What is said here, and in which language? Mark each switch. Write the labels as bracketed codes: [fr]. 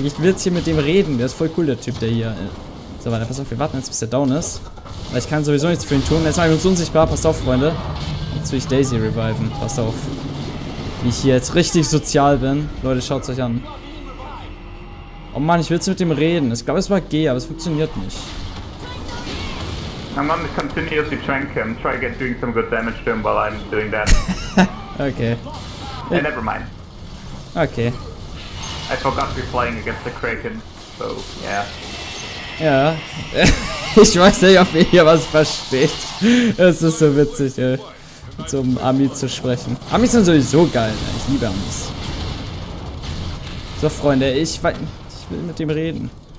[de] Ich will jetzt hier mit dem reden. Der ist voll cool, der Typ, der hier... So, warte, pass auf, wir warten jetzt, bis der down ist. Weil ich kann sowieso nichts für ihn tun. Jetzt mach ich uns unsichtbar. Pass auf, Freunde. Jetzt will ich Daisy reviven. Pass auf. Wie ich hier jetzt richtig sozial bin. Leute, schaut's euch an. Oh Mann, ich will jetzt mit dem reden. Ich glaube, es war G, aber es funktioniert nicht. [en] I'm gonna continuously trank him. Try get doing some good damage to him while I'm doing that. Okay. Yeah, never mind. Okay. I forgot to be playing against the Kraken, so yeah. [de] Ja, ich weiß nicht, ob ihr hier was versteht. Es ist so witzig, ey, mit so einem Ami zu sprechen. Amis sind sowieso geil, ey. Ich liebe Amis. So, Freunde, ich will mit dem reden.